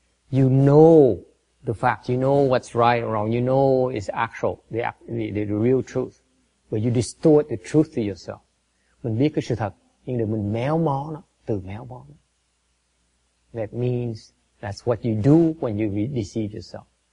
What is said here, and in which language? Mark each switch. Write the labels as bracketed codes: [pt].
[en] You know the facts, you know what's right or wrong, you know it's actual, the real truth, but you distort the truth to yourself. [vi] Mình biết cái sự thật, nhưng mà mình méo mó nó, tự méo mó nó. [en] That means that's what you do when you deceive yourself.